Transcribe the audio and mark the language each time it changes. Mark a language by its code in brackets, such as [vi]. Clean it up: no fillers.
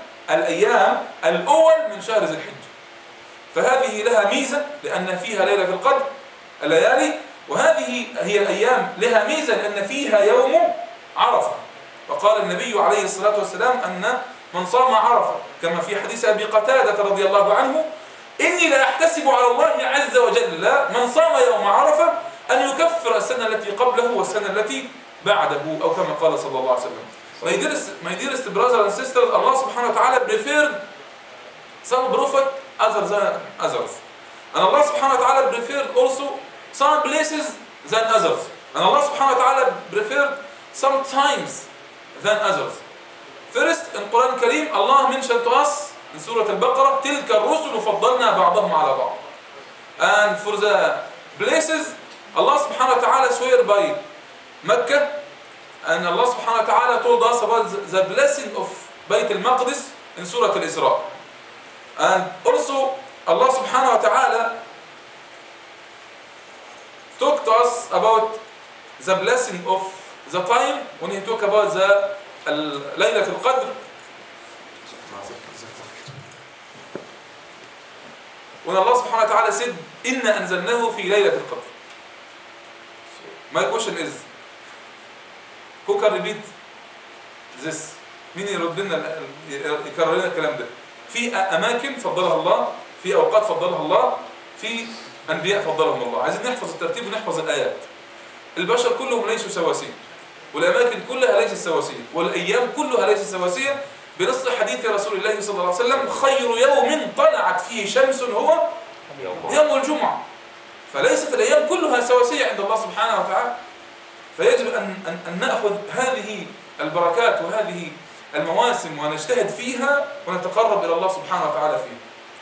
[ar] الأيام الأول من شهر ذي الحجة، فهذه لها ميزة لأن فيها ليلة القدر الليالي، وهذه هي الأيام لها ميزة لأن فيها يوم عرفة، وقال النبي عليه الصلاة والسلام أن من صام عرفة كما في حديث أبي قتادة رضي الله عنه إني لا أحتسب على الله عز وجل من صام يوم عرفة أن يكفر السنة التي قبله والسنة التي بعده، أو كما قال صلى الله عليه وسلم. [en] My dearest brothers and sisters, Allah [ar] سبحانه وتعالى [en] preferred some prophet other than others, and Allah سبحانه وتعالى preferred also some places than others, and Allah سبحانه وتعالى preferred sometimes than others. First, in Quran Kareem, Allah mentioned to us in Surah Al-Baqarah, [ar] تِلْكَ الرُّسُلُ فَضَّلْنَا بَعْضَهُمْ عَلَى بَعْضٍ. [en] And for the places, Allah subhanahu wa ta'ala swear by Mecca, and Allah subhanahu wa ta'ala told us about the blessing of Bayt al-Maqdis in Surah Al-Isra. And also, Allah subhanahu wa ta'ala talked to us about the blessing of the time when he talk about the ليلة القدر. When Allah [ar] سبحانه وتعالى [en] said [ar] إن أنزلناه في ليلة القدر. [en] My question is, who can repeat this? [ar] مين يرد لنا يكرر لنا الكلام ده؟ في أماكن فضلها الله، في أوقات فضلها الله، في أنبياء فضلهم الله. عايزين نحفظ الترتيب ونحفظ الآيات. البشر كلهم ليسوا سواسين، والأماكن كلها ليست سواسية، والأيام كلها ليست سواسية، بنص حديث رسول الله صلى الله عليه وسلم خير يوم طلعت فيه شمس هو يوم الجمعة، فليست الأيام كلها سواسية عند الله سبحانه وتعالى، فيجب أن نأخذ هذه البركات وهذه المواسم ونجتهد فيها ونتقرب إلى الله سبحانه وتعالى فيها.